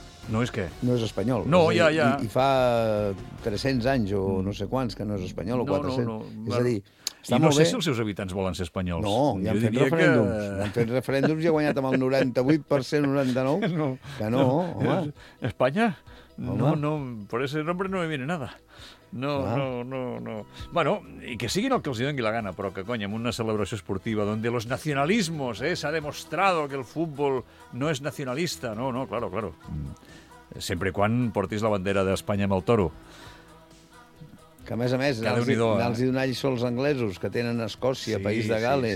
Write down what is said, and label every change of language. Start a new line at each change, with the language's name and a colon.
Catalan: No és què? No és espanyol. No, és ja. I fa 300 anys o no sé quants que no és espanyol, o 400. No. És a dir, està molt bé. Si els seus habitants volen ser espanyols. No, ja han fet referèndums. Han fet referèndums i ha guanyat amb el 98%, 99%. No. Que no, home. Espanya?
Spanish: No, no, por ese nombre no me viene nada. No, no, no, no.
Catalan: Bueno, y que siguin el que els doni la gana, però que, coño, en una celebració esportiva
Spanish: donde los nacionalismos,
Catalan: s'ha demostrado que el futbol no és nacionalista.
Spanish: No, no, claro, claro.
Catalan: Sempre quan portis la bandera d'Espanya amb el toro. Que, a més, els hi donar lliçó als anglesos, que tenen Escòcia, sí, País de Gales,